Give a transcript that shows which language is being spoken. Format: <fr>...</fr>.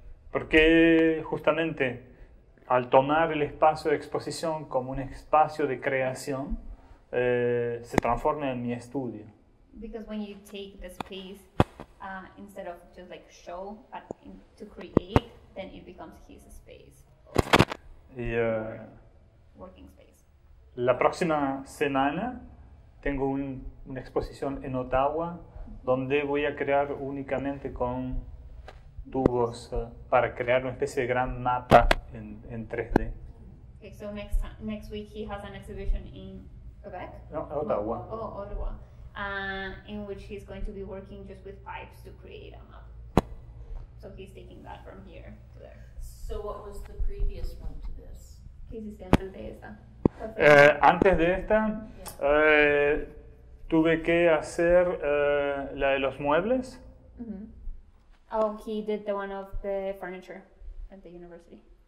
<es>Porque justamente al tomar el espacio de exposición como un espacio de creación, se transforma en mi estudio.</es> <en>Because when you take the space instead of just like show but in, to create, then it becomes his space.</en> <es>Y,</es> <en>working space.</en> <es>La próxima semana tengo una exposición en Ottawa donde voy a crear únicamente con tubos para crear una especie de gran mapa en 3D.</es> <en>Okay, so next week he has an exhibition in Quebec? No, Ottawa. Oh, Ottawa. In which he's going to be working just with pipes to create a map. So he's taking that from here to there. So what was the previous one to this?</en> <es>¿Qué hiciste antes de esta? Antes de esta, tuve que hacer la de los muebles. Mm-hmm.</es> <en>Oh, he did the one of the furniture at the university.</en>